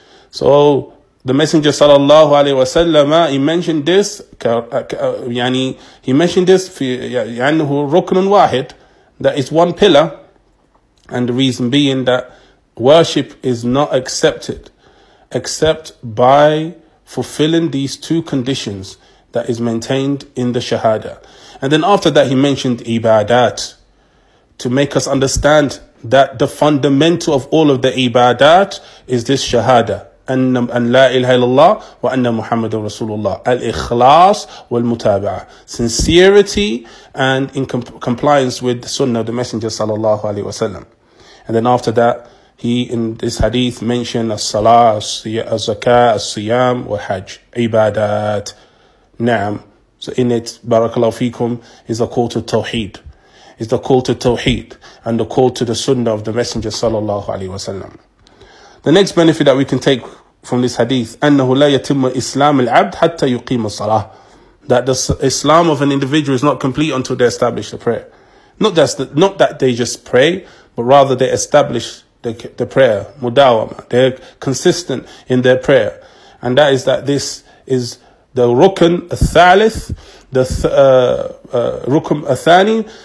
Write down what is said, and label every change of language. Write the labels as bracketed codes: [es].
[en] So the Messenger sallallahu alaihi wasallam, he mentioned this [ar] يعنه ركن واحد, [en] that is one pillar, and the reason being that worship is not accepted except by fulfilling these two conditions that is maintained in the shahada. And then after that he mentioned ibadat to make us understand that the fundamental of all of the ibadat is this shahada. [ar] أن لا إله إلا الله وأن محمد رسول الله. الإخلاص والمتابعة. [en] Sincerity and in compliance with the sunnah of the Messenger صلى الله عليه وسلم. And then after that, he in this hadith mentioned [ar] الصلاة, الزكاة, الصيام, والحج. عبادات. نعم. [en] So in it, [ar] بارك الله فيكم, [en] is a call to Tawheed. Is the call to Tawheed and the call to the sunnah of the Messenger صلى الله عليه وسلم. The next benefit that we can take from this hadith, [ar] أنه لا يتم إسلام العبد حتى يقيم الصلاة. [en] That the Islam of an individual is not complete until they establish the prayer. Not that they just pray, but rather they establish the prayer, مداومة. They're consistent in their prayer. And that is that this is the Rukn الثالث, Rukn الثاني.